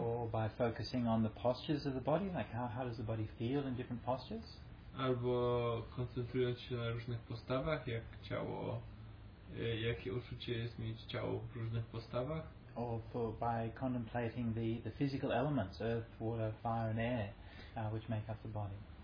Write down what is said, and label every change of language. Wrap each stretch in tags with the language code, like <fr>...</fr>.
<en>Or by focusing on the postures of the body, like how does the body feel in different postures?</en> <pl>Albo koncentrując się na różnych postawach, jak ciało, jakie uczucie jest mieć ciało w różnych postawach.</pl> <en>Or by contemplating the physical elements, earth, water, fire and air, which make up the body.</en>